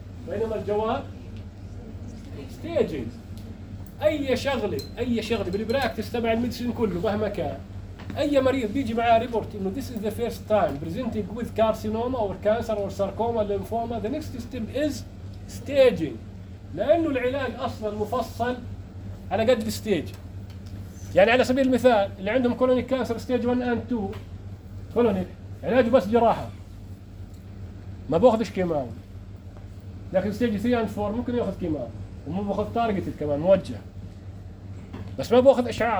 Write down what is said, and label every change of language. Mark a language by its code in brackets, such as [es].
[ar] بينما الجواب staging. اي شغله بالبراكتس تبع الميديسين كله مهما كان، اي مريض بيجي معاه ريبورت انه [en] this is the first time presenting with carcinoma or cancer or sarcoma or lymphoma, the next step is staging. [ar] لانه العلاج اصلا مفصل على قد الستيج. يعني على سبيل المثال اللي عندهم كولونيك كانسر ستيج 1 اند 2 كولونيك، علاجه بس جراحه ما باخذش كيماو، لكن ستيج 3 اند 4 ممكن ياخذ كيماو ومو باخذ تارجتد كمان موجه، بس ما باخذ اشعاع.